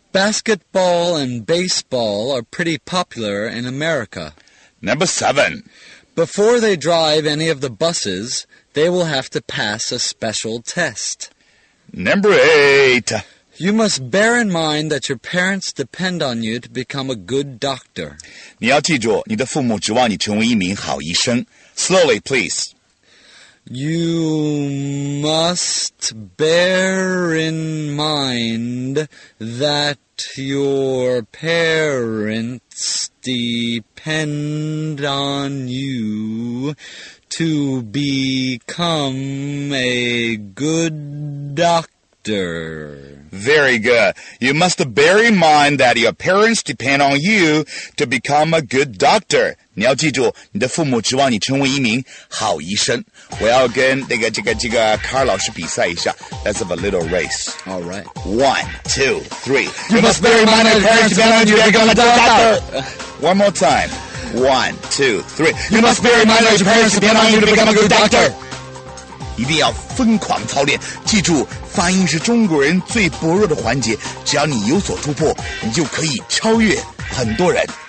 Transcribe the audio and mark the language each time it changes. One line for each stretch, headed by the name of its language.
English: Basketball and baseball are pretty popular in America. Number 7. Before they drive any of the buses, they will have to pass a special test. Number 8. You must bear in mind that your parents depend on you to become a good doctor.
Chinese: 你要记住,你的父母指望你成为一名好医生.
English: Slowly, please. You must bear in mind that your parents depend on you to become a good doctor. Very good. You must bear in mind that your parents depend on you to become a good doctor.
Chinese: 你要记住,你的父母指望你成为一名好医生. 我要跟这个卡尔老师比赛一下.
English: Let's have a little race. All right. 1, 2, 3. You must bear in mind that your parents depend on you to become a good doctor. One more time. 1, 2, 3. You must bear in mind that your parents depend on you to become a good doctor.
Chinese: 一定要疯狂操练. 记住, 发音是中国人最薄弱的环节, 只要你有所突破, 你就可以超越很多人。